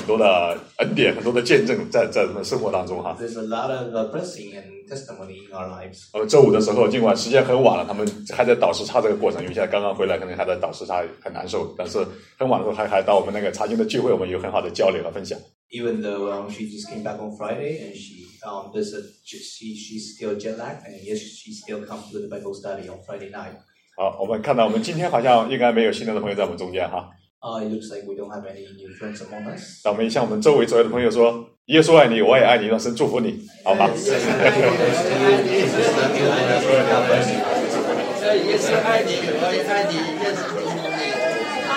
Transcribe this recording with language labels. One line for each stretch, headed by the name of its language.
Chinese: 好的，行，那我们那个待会我们吃饭的时候，我们有更多的交流的时间，我们可以更多的谈。对，因为有很多的恩典，很多的见证在我们生活当中哈。
English: There's a lot of blessing and testimony in our lives.
Chinese: 周五的时候，尽管时间很晚了，他们还在倒时差这个过程，因为现在刚刚回来，可能还在倒时差很难受，但是很晚的时候还到我们那个查经的聚会，我们有很好的交流和分享。
English: Even though she just came back on Friday, and she's still jet lagged, and yes, she still comes to the Bible study on Friday night.
Chinese: 好，我们看到我们今天好像应该没有新的朋友在我们中间哈。
English: It looks like we don't have any new friends among us.
Chinese: 那我们向我们周围所有的朋友说：“耶稣爱你，我也爱你，让神祝福你，好吗？”
English: Yes, yes,